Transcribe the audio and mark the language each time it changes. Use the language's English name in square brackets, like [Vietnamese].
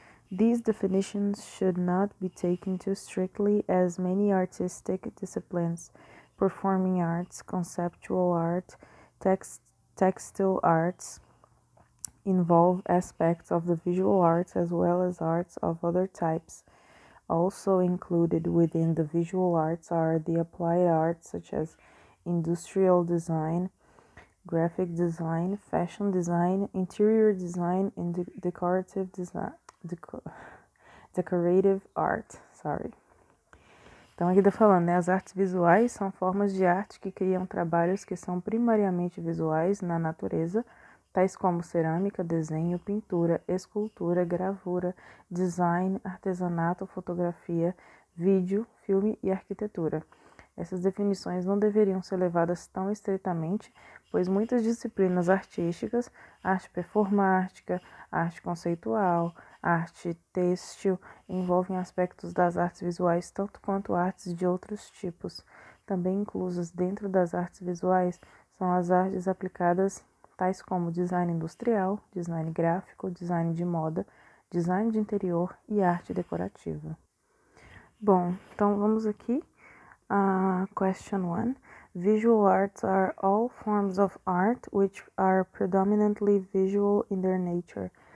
[English] These definitions should not be taken too strictly, as many artistic disciplines, performing arts, conceptual art, textile arts, involve aspects of the visual arts as well as arts of other types. Also included within the visual arts are the applied arts such as industrial design, graphic design, fashion design, interior design, and decorative design. Decorative art, sorry. [Portuguese] Então, aqui tá falando, né? As artes visuais são formas de arte que criam trabalhos que são primariamente visuais na natureza, tais como cerâmica, desenho, pintura, escultura, gravura, design, artesanato, fotografia, vídeo, filme e arquitetura. Essas definições não deveriam ser levadas tão estritamente, pois muitas disciplinas artísticas, arte performática, arte conceitual, arte têxtil envolvem aspectos das artes visuais tanto quanto artes de outros tipos. Também inclusas dentro das artes visuais são as artes aplicadas, tais como design industrial, design gráfico, design de moda, design de interior e arte decorativa. Bom, então vamos aqui à question 1. [English] Visual arts are all forms of art which are predominantly visual in their nature.